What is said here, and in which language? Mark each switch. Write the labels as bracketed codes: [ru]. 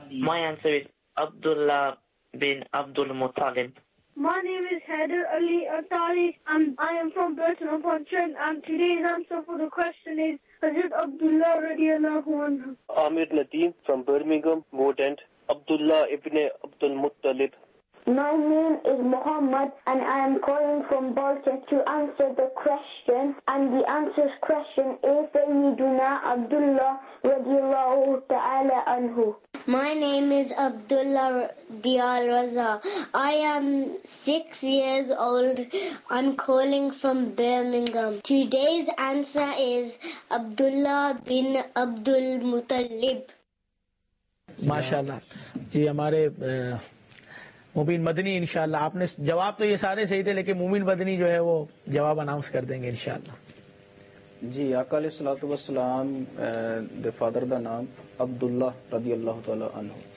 [en] My answer is Abdullah bin Abdul Muttalib. My name is Heather Ali Attari. I am from Burton upon Trent, and today's answer for the question is Hazrat Abdullah radiallahu anhu. Amir Latim from Birmingham, Mordant. Abdullah ibn Abdul Muttalib. My name is Muhammad, and I am calling from Balkan to answer the question. And the answer's question is Sayyiduna Abdullah radiallahu ta'ala anhu. My name is Abdullah Dial Raza. I am 6 years old. I'm calling from Birmingham. Today's answer is Abdullah bin Abdul Muttalib. MashaAllah. [ur] Ji hamare مبین مدنی انشاءاللہ, آپ نے جواب تو یہ سارے صحیح تھے لیکن مبین مدنی جو ہے وہ جواب اناؤنس کر دیں گے انشاءاللہ. [pa] جی آقا علیہ الصلوۃ والسلام دے فادر دا نام عبداللہ رضی اللہ تعالی عنہ.